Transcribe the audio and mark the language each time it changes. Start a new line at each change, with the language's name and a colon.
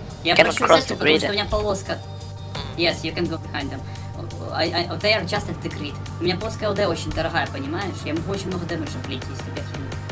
Russian: Я прошу сейчас, потому что у меня полоска.
English: Yes, you can go behind them. They are just at the grid.
Russian: У меня полоска ЛД очень дорогая, понимаешь? Я могу очень много дэмэджа влить, если тебя хрену.